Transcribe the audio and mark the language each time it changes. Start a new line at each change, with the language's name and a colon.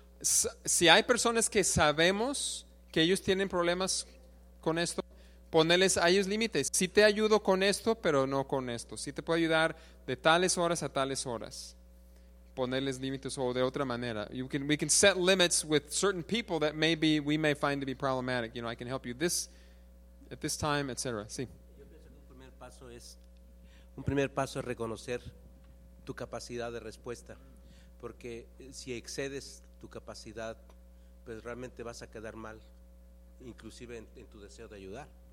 Spanish: Si hay personas que sabemos que ellos tienen problemas con esto, ponerles a ellos límites. Sí te ayudo con esto, pero no con esto. Sí te puedo ayudar de tales horas a tales horas. Ponerles límites o de otra manera.
English: We can set limits with certain people that maybe we may find to be problematic. You know, I can help you at this time, etc.
Spanish: Sí. Yo pienso que un primer paso es reconocer tu capacidad de respuesta. Porque si excedes tu capacidad, pues realmente vas a quedar mal, inclusive en tu deseo de ayudar.